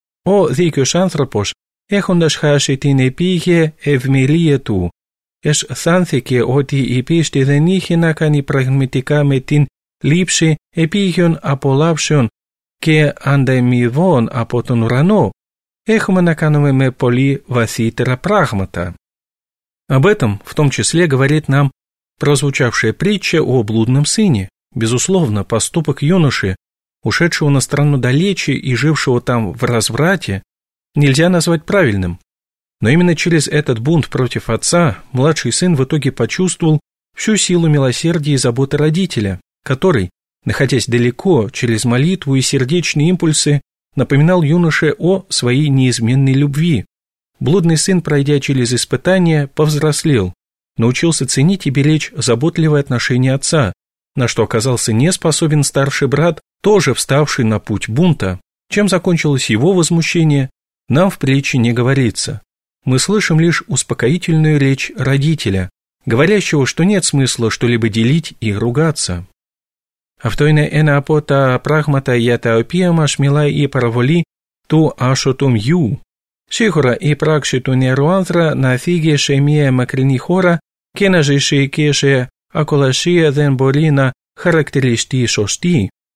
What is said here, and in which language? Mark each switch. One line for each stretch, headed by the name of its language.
Greek: Ο δίκαιος άνθρωπος, έχοντας χάσει την επίγεια ευμερία του, αισθάνθηκε ότι η πίστη δεν είχε να κάνει πραγματικά με την λήψη επίγειων απολαύσεων και ανταμοιβών από τον ουρανό. Έχουμε να κάνουμε με πολύ βαθύτερα πράγματα.
Russian: Об этом, в том числе, говорит нам прозвучавшая притча о блудном сыне. Безусловно, поступок юноши, ушедшего на страну далече и жившего там в разврате, нельзя назвать правильным. Но именно через этот бунт против отца младший сын в итоге почувствовал всю силу милосердия и заботы родителя, который, находясь далеко, через молитву и сердечные импульсы, напоминал юноше о своей неизменной любви. Блудный сын, пройдя через испытания, повзрослел, научился ценить и беречь заботливое отношение отца, на что оказался не способен старший брат, тоже вставший на путь бунта. Чем закончилось его возмущение, нам в притче не говорится. Мы слышим лишь успокоительную речь родителя, говорящего, что нет смысла что-либо делить и ругаться.
Greek: Αυτό είναι ένα από τα πράγματα για τα οποία μας μιλάει η παραβολή του άσωτου γιού. Σίγουρα η πράξη του νεαρού άνδρα να φύγει σε μια μακρινή χώρα και να ζήσει και σε ακολασία δεν μπορεί να χαρακτηριστεί σωστή.